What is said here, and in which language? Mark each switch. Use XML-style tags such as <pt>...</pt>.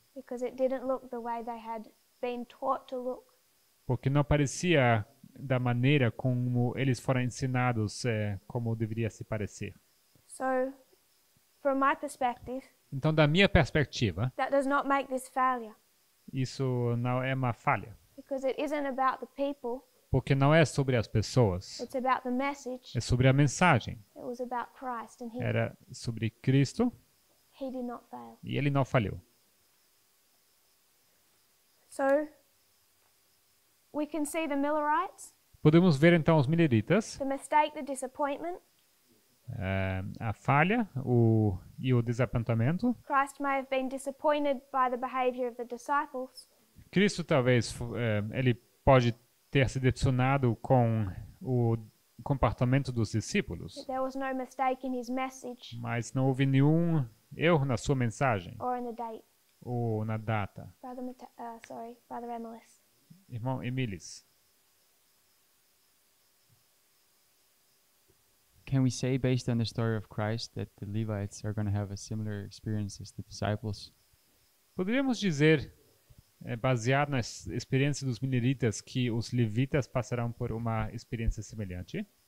<en>Because it didn't look the way they had been taught to look.</en> <pt>Porque não parecia da maneira como eles foram ensinados, como deveria se parecer.</pt> <en>So, from my perspective,</en> <pt>então, da minha perspectiva,</pt> <en>that does not make this failure.</en> <pt>Isso não é uma falha.</pt> <en>Because it isn't about the people,</en> <pt>porque não é sobre as pessoas.</pt> <en>It's about the message.</en> <pt>É sobre a mensagem.</pt> <en>It was about Christ and he,</en> <pt>era sobre Cristo.</pt> <en>He did not fail.</en> <pt>E ele não falhou.</pt> <en>So, we can see the Millerites.</en> <pt>Podemos ver então os Milleritas.</pt> <en>The mistake, the disappointment.</en> <pt>A falha e o desapontamento.</pt> <en>Christ may have been disappointed by the behavior of the disciples.</en> <pt>Cristo talvez ele pode ter se decepcionado com o comportamento dos discípulos.</pt> <en>There was no mistake in his message.</en> <pt>Mas não houve nenhum erro na sua mensagem.</pt> <en>Or in the date.</en> <pt>Ou na data.</pt> <en>Brother Emilis.</en> <pt>Irmão Emilis.</pt> <en>Can we say, based on the story of Christ, that the Levites are going to have a similar experience as the disciples?</en> <pt>Poderíamos dizer, baseado na experiência dos mineritas, que os levitas passarão por uma experiência semelhante?</pt>